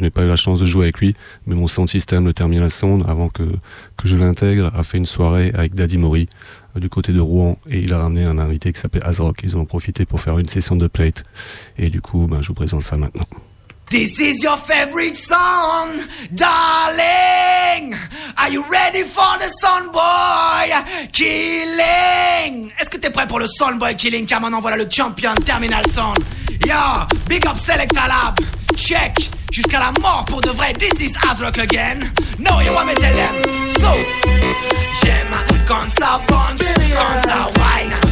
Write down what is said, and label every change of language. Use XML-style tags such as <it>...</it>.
<fr>Je n'ai pas eu la chance de jouer avec lui, mais mon sound system, le Terminal Sound, avant que je l'intègre, a fait une soirée avec Daddy Maury du côté de Rouen, et il a ramené un invité qui s'appelait Azrock. Ils ont profité pour faire une session de plate, et du coup je vous présente ça maintenant.</fr> <en>This is your favorite song, darling. Are you ready for the sun boy killing?</en> <fr>Est-ce que t'es prêt pour le sun boy killing? Car maintenant voilà le champion Terminal Sound.</fr> <en>Yo, big up Selecta Lab.</en> <fr>Check, jusqu'à la mort pour de vrai.</fr> <en>This is Azrock again. No, you want me to tell them?</en> <fr>So, j'aime quand ça bounce, quand ça whine.</fr>